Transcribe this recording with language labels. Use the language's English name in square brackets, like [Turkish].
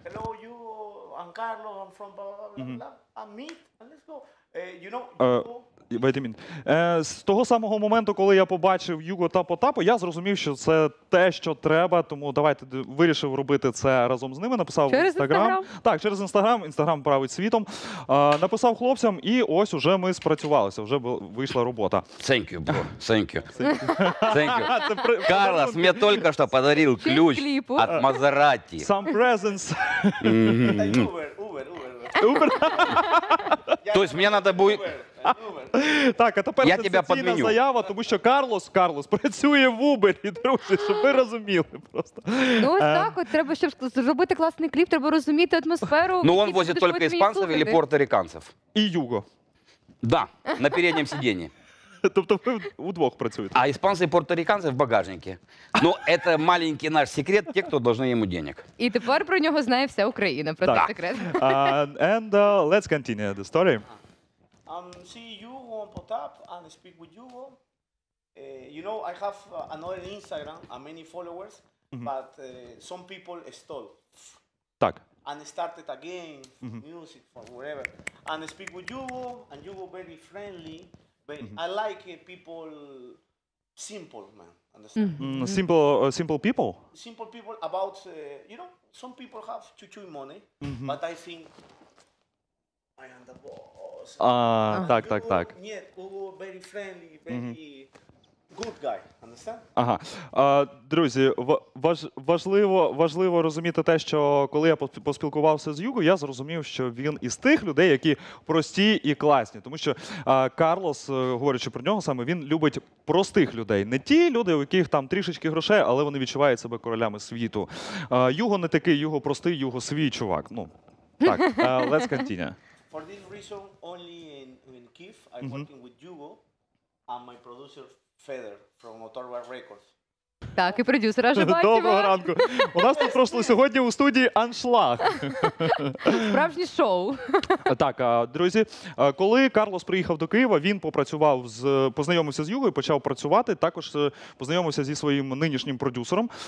[English] Hello, you, I'm Carlo, I'm from blah, blah, blah, blah. I'm meet, and let's go. You know, [Ukrainian] З того самого моменту, коли я побачив Юго та Потапа, я зрозумів, що це те, що треба, тому давайте вирішив робити це разом з ними, написав через в Instagram. Так, через Instagram, Instagram править світом. Написав хлопцям, і ось уже ми спрацювалися, вже вийшла робота. [English] Thank you, bro. Thank you. Thank you. [Ukrainian] Карлос, мені тільки що подарив ключ від Мазераті. [English] Some presents. Uber. [Ukrainian] Тобто мені треба буде... Так, а тепер це сенсаційна заява, тому що Карлос працює в Убері, друзі, щоб ви розуміли просто. Ну ось так, от треба, щоб зробити класний кліп, треба розуміти атмосферу. Ну він возить тільки іспанців і порториканців. І Юго. Да, на передньому сидінні. Тобто ви вдвох працюєте. А іспанці і порториканці в багажнику. Ну, це маленький наш секрет, ті, хто [Russian] должны [Ukrainian] йому [Russian] денег. [Ukrainian] І тепер про нього знає вся Україна, про цей секрет. [English] And let's continue the story. See Yugo and Potap and speak with Yugo. You know, I have another Instagram and many followers, mm-hmm. but some people stole. [Ukrainian] Так. [English] And started again, mm-hmm. music or whatever. And I speak with Yugo, and Yugo very friendly. But mm-hmm. I like people simple, man. Understand? Mm-hmm. Mm-hmm. Simple, simple people? Simple people about, you know, some people have chuchuy money, mm-hmm. but I think I am the boss. [Ukrainian] Так, так, так. [English] Ні, Hugo very friendly, very good guy, understand? Ага. [Ukrainian] Друзі, важливо розуміти те, що коли я поспілкувався з Юго, я зрозумів, що він із тих людей, які прості і класні. Тому що Карлос, говорячи про нього саме, він любить простих людей. Не ті люди, у яких там трішечки грошей, але вони відчувають себе королями світу. Юго не такий, Юго простий, Юго свій чувак. Ну, так, [English] let's continue. For this reason, only in Kyiv, I'm mm-hmm. working with Yugo and my producer, Feather, from Otorva Records. [Ukrainian] Так, і продюсера вже бачимо. Доброго ранку. У нас тут пройшло сьогодні у студії аншлаг. Справжнє шоу. Так, друзі, коли Карлос приїхав до Києва, він познайомився з Югою, почав працювати, також познайомився зі своїм нинішнім продюсером.